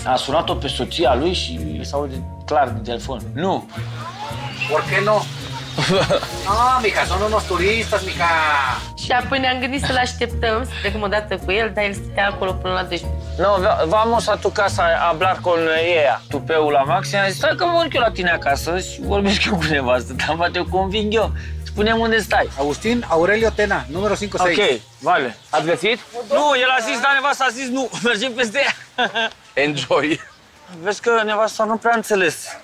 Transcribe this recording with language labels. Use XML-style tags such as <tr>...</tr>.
<ro>A sunat-o pe soția lui și se aude clar de telefon. Nu.</ro> <es>¿Por qué no? Ah, no, mica, son unos turistas, mica.</es> <ro>Și apoi ne-am gândit să-l așteptăm, să trecăm o dată cu el, dar el stătea acolo până la 12.</ro> <es>No, vamos a tu casa a hablar con ella.</es> <ro>Tupeul la Maxi a zis, stai că mă urc eu la tine acasă și vorbesc eu cu nevastă, dar poate o conving eu. Spune-mi unde stai. Agustin Aurelio Tena, numărul 5-6.</ro> <es>Ok, vale.</es> <ro>Ați găsit? Nu, el a zis, da, nevastă, a zis nu. Mergem peste ea.</ro> <en>Enjoy.</en> <ro>Vezi că nevastă nu prea înțeles.</ro>